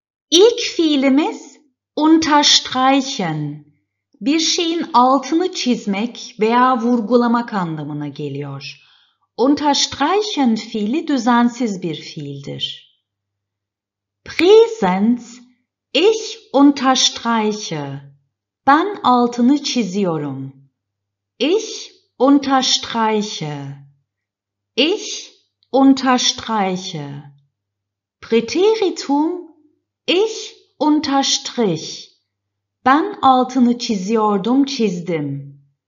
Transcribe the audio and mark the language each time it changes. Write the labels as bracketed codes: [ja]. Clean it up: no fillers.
[tr] İlk fiilimiz unterstreichen. Bir şeyin altını çizmek veya vurgulamak anlamına geliyor. Unterstreichen fiili düzensiz bir fiildir. [de] Präsens, ich unterstreiche. [tr] Ben altını çiziyorum. [de] Ich unterstreiche. Ich unterstreiche. Präteritum, ich unterstrich. [tr] Ben altını çiziyordum, çizdim.